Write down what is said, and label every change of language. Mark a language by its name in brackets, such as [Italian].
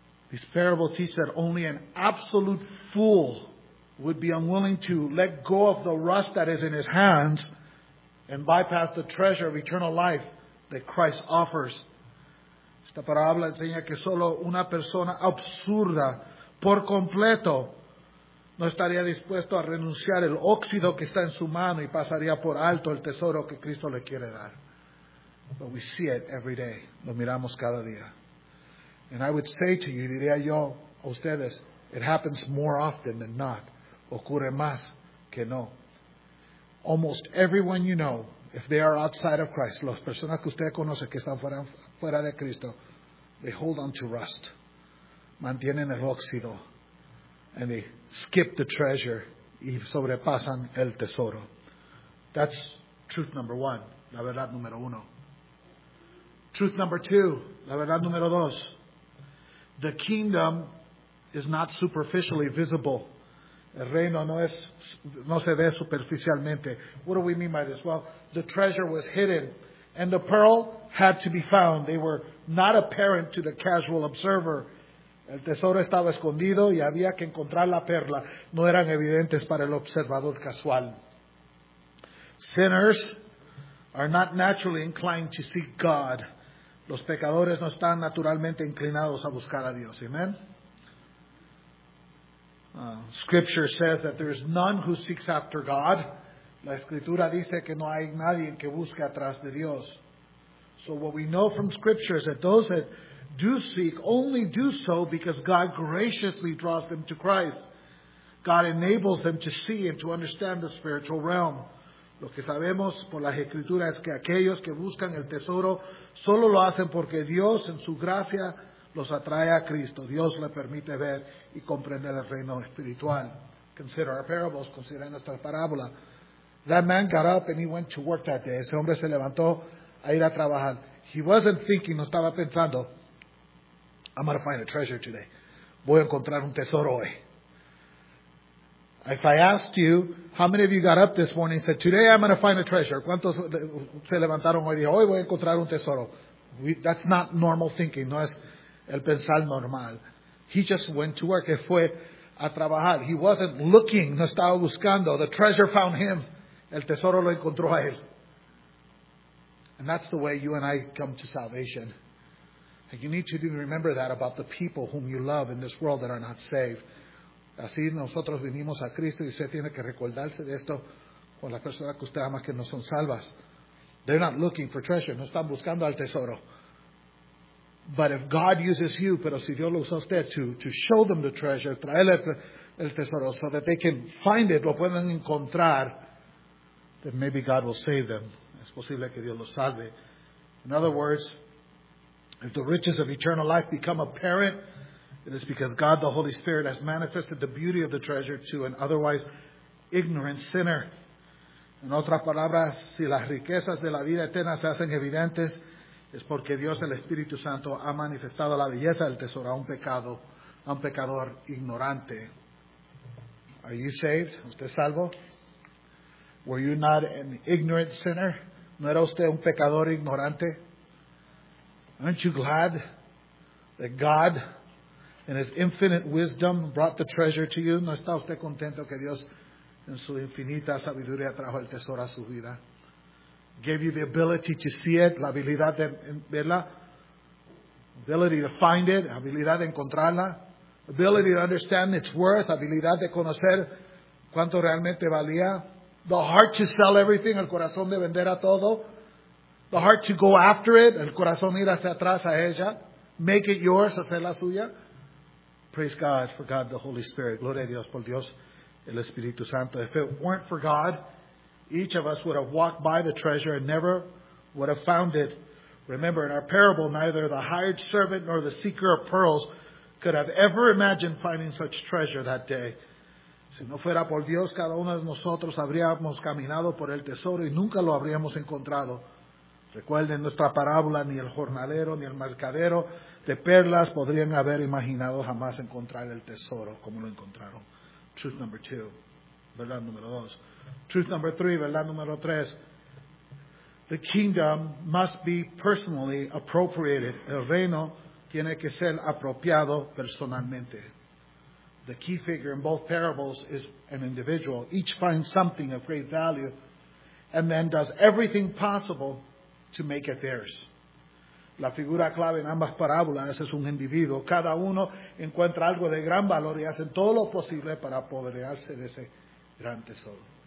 [English] These parables teach that only an absolute fool would be unwilling to let go of the rust that is in his hands and bypass the treasure of eternal life that Christ offers. [Spanish] Esta parábola enseña que solo una persona absurda por completo no estaría dispuesto a renunciar el óxido que está en su mano y pasaría por alto el tesoro que Cristo le quiere dar. [English] But we see it every day. [Spanish] Lo miramos cada día. [English] And I would say to you, [Spanish] diría yo a ustedes, [English] it happens more often than not. [Spanish] Ocurre más que no. [English] Almost everyone you know, if they are outside of Christ, [Spanish] las personas que usted conoce que están fuera de Cristo, [English] they hold on to rust. [Spanish] Mantienen el óxido. [English] And they skip the treasure [Spanish] y sobrepasan el tesoro. [English] That's truth number one, [Spanish] la verdad número uno. [English] Truth number two, [Spanish] la verdad número dos. [English] The kingdom is not superficially visible. [Spanish] El reino no se ve superficialmente. [English] What do we mean by this? Well, the treasure was hidden, and the pearl had to be found. They were not apparent to the casual observer. [Spanish] El tesoro estaba escondido y había que encontrar la perla. No eran evidentes para el observador casual. [English] Sinners are not naturally inclined to seek God. [Spanish] Los pecadores no están naturalmente inclinados a buscar a Dios. [English] Amen. Scripture says that there is none who seeks after God. [Spanish] La escritura dice que no hay nadie que busque atrás de Dios. [English] So what we know from Scripture is that those that do seek only do so because God graciously draws them to Christ. God enables them to see and to understand the spiritual realm. [Spanish] Lo que sabemos por las escrituras es que aquellos que buscan el tesoro solo lo hacen porque Dios en su gracia los atrae a Cristo. Dios le permite ver y comprender el reino espiritual. [English] Consider our parables, [Spanish] considera nuestra parábola. [English] That man got up and he went to work that day. [Spanish] Ese hombre se levantó a ir a trabajar. [English] He wasn't thinking, [Spanish] no estaba pensando, [English] I'm going to find a treasure today. [Spanish] Voy a encontrar un tesoro hoy. [English] If I asked you, how many of you got up this morning and said, today I'm going to find a treasure. [Spanish] ¿Cuántos se levantaron hoy y dijeron, hoy voy a encontrar un tesoro? [English] That's not normal thinking. [Spanish] No es el pensar normal. [English] He just went to work. [Spanish] Él fue a trabajar. [English] He wasn't looking. [Spanish] No estaba buscando. [English] The treasure found him. [Spanish] El tesoro lo encontró a él. [English] And that's the way you and I come to salvation. And you need to remember that about the people whom you love in this world that are not saved. [Spanish] Así nosotros vinimos a Cristo y usted tiene que recordarse de esto con las personas que usted ama que no son salvas. [English] They're not looking for treasure. [Spanish] No están buscando al tesoro. [English] But if God uses you, [Spanish] pero si Dios lo usa usted [English] to show them the treasure, [Spanish] traerle el tesoro [English] so that they can find it, [Spanish] lo pueden encontrar, [English] then maybe God will save them. [Spanish] Es posible que Dios los salve. [English] In other words, if the riches of eternal life become apparent, it is because God, the Holy Spirit, has manifested the beauty of the treasure to an otherwise ignorant sinner. [Spanish] En otras palabras, si las riquezas de la vida eterna se hacen evidentes, es porque Dios, el Espíritu Santo, ha manifestado la belleza del tesoro a un pecador ignorante. [English] Are you saved? [Spanish] ¿Usted salvo? Were you not an ignorant sinner? ¿No era usted un pecador ignorante? [English] Aren't you glad that God, in His infinite wisdom, brought the treasure to you? [Spanish] ¿No está usted contento que Dios, en su infinita sabiduría, trajo el tesoro a su vida? [English] Gave you the ability to see it, [Spanish] la habilidad de verla, [English] ability to find it, [Spanish] habilidad de encontrarla, [English] ability to understand its worth, [Spanish] habilidad de conocer cuánto realmente valía, [English] the heart to sell everything, [Spanish] el corazón de vender a todo, [English] the heart to go after it, [Spanish] el corazón ir hacia atrás a ella, [English] make it yours, [Spanish] hacerla suya. [English] Praise God for God the Holy Spirit. [Spanish] Gloria a Dios por Dios el Espíritu Santo. [English] If it weren't for God, each of us would have walked by the treasure and never would have found it. Remember, in our parable, neither the hired servant nor the seeker of pearls could have ever imagined finding such treasure that day. [Spanish] Si no fuera por Dios, cada uno de nosotros habríamos caminado por el tesoro y nunca lo habríamos encontrado. Recuerden nuestra parábola, ni el jornalero ni el mercadero de perlas podrían haber imaginado jamás encontrar el tesoro como lo encontraron. [English] Truth number two, verdad número dos. Truth number three, verdad número tres. The kingdom must be personally appropriated. [Spanish] El reino tiene que ser apropiado personalmente. [English] The key figure in both parables is an individual. Each finds something of great value and then does everything possible to make it theirs. [Spanish] La figura clave en ambas parábolas es un individuo. Cada uno encuentra algo de gran valor y hacen todo lo posible para apoderarse de ese gran tesoro.